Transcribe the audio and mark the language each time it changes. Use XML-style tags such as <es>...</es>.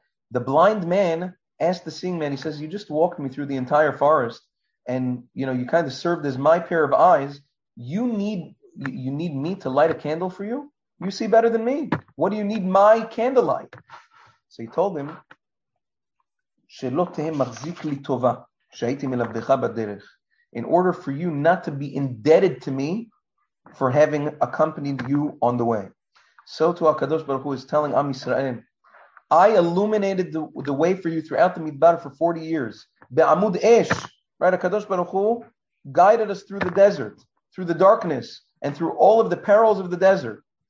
<en>The blind man asked the seeing man, he says, you just walked me through the entire forest, and you know, you kind of served as my pair of eyes. You need me to light a candle for you? You see better than me. What do you need my candlelight? So he told him,</en> <he>שלא תהיה מחזיק לי טובה, שהייתי מלבדך בדרך.</he> <en>In order for you not to be indebted to me for having accompanied you on the way. So to HaKadosh Baruch Hu is telling Am Yisrael, I illuminated the way for you throughout the Midbar for 40 years. Be'amud Esh, right? HaKadosh Baruch Hu guided us through the desert, through the darkness, and through all of the perils of the desert.</en>